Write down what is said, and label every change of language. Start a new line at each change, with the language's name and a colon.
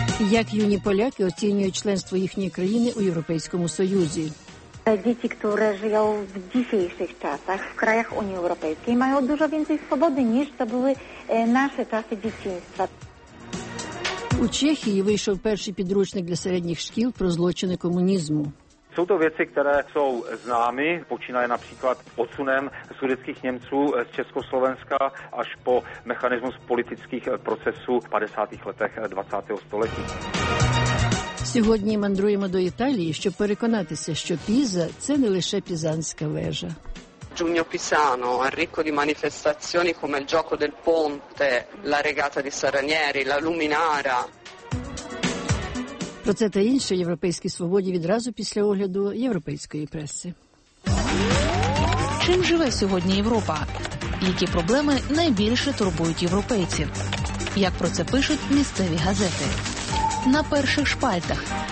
Ukrainian: Як юні поляки оцінюють членство їхньої країни у Європейському Союзі? Діти, які живуть в дійсніших часах, в країнах Унії Європейської, мають дуже більше свободи, ніж це були наші часи дитинства. У Чехії вийшов перший підручник для середніх шкіл про злочини комунізму.
Czech: Jsou to věci, které jsou známy, počínaje například odsunem sudetských Němců z Československa až po mechanismus politických procesů v 50. letech 20. století.
Ukrainian: Сьогодні мандруємо до Італії, щоб переконатися, що Піза – це не лише пізанська вежа.
Italian: Giugno pisano, ricco di manifestazioni come il gioco del ponte, la regata di Saranieri, la luminara.
Ukrainian: Про це та інше європейській свободі відразу після огляду європейської преси. Чим живе сьогодні Європа? Які проблеми найбільше турбують європейців? Як про це пишуть місцеві газети? На перших шпальтах.